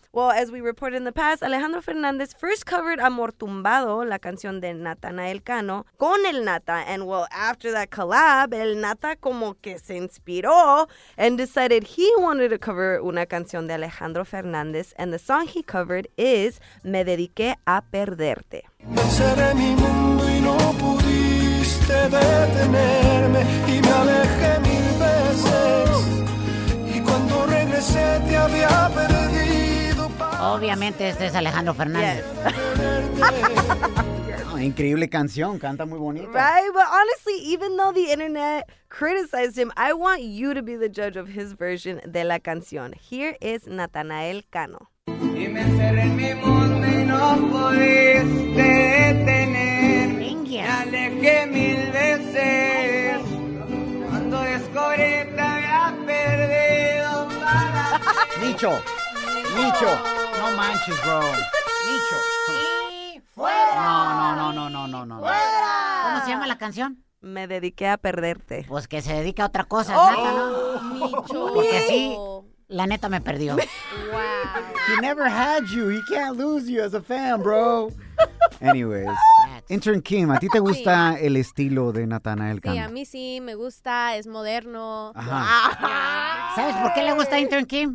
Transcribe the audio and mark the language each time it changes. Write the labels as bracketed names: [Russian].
[English] Well, as we reported in the past, Alejandro Fernández first covered Amor Tumbado, [Spanish] la canción de Natanael Cano, con el Nata. [English] And, well, after that collab, [Spanish] el Nata como que se inspiró [English] and decided he wanted to cover [Spanish] una canción de Alejandro Fernández. [English] And the song he covered is Me Dediqué a Perderte. [Spanish] Me cerré mi mundo y no pude detenerme y me alejé mil veces y cuando regresé te había perdido. Obviamente este es Alejandro Fernández. [English] Yes. [Spanish] Increíble canción, canta muy bonito. [English] Right, but honestly, even though the internet criticized him, I want you to be the judge of his version [Spanish] de la canción. [English] Here is Natanael Cano. [Spanish] Y me encerré en mi mundo y no pudiste detener. Me alejé mil veces. Cuando descubrí te había perdido. Micho, Micho, no manches, bro. Micho. ¡Fuera! No. ¿Cómo se llama la canción? Me dediqué a perderte. Pues que se dedica a otra cosa, Nata, ¿no? Micho. Porque sí, la neta me perdió. [English] Wow. He never had you. He can't lose you as a fan, bro. Anyways, [Spanish] intern Kim, ¿a ti te gusta el estilo de Natanael Cano? Sí, a mí sí, me gusta, es moderno. Ajá. ¿Sabes por qué le gusta a intern Kim?